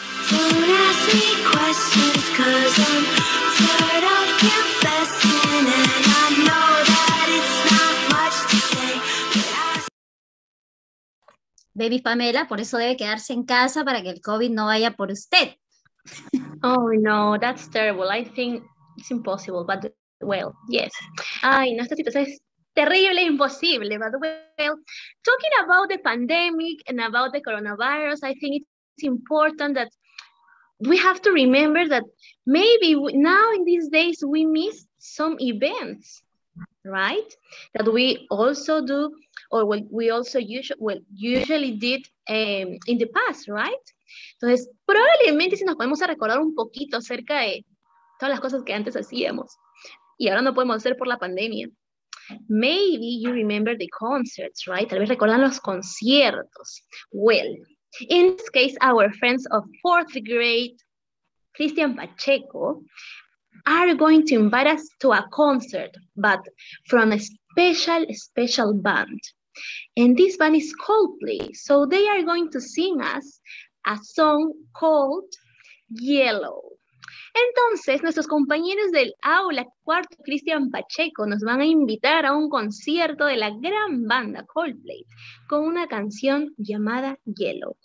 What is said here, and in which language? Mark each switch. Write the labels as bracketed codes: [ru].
[en] Don't ask me questions, cause I'm tired of confessing, and I know that it's not much to say. [es] Baby Pamela, por eso debe quedarse en casa para que el COVID no vaya por usted. [en] Oh, no, that's terrible. I think it's impossible, but well, yes. [es] Ay, no, esta situación es terrible, imposible, [en] but well. Talking about the pandemic and about the coronavirus, I think it's important that we have to remember that maybe now in these days we miss some events, right? That we also do. Or what we also usually did in the past, right? [es] Entonces, probablemente si nos podemos recordar un poquito acerca de todas las cosas que antes hacíamos y ahora no podemos hacer por la pandemia. [en] Maybe you remember the concerts, right? [es] Tal vez recuerdan los conciertos. [en] Well, in this case, our friends of fourth grade, Cristian Pacheco, are going to invite us to a concert, but from a special band. And this band is Coldplay, so they are going to sing us a song called Yellow. [es] Entonces, nuestros compañeros del aula cuarto, Cristian Pacheco, nos van a invitar a un concierto de la gran banda Coldplay con una canción llamada Yellow.